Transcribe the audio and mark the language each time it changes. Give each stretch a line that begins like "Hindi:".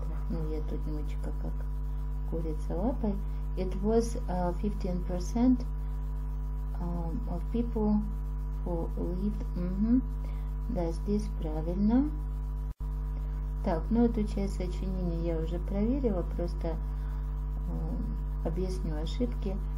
Russian: Ну, я тут немножечко как курица лапой.
English: It was 15% of people who lived.
Russian: Да, здесь правильно. Так, ну эту часть сочинения я уже проверила, просто объясню ошибки.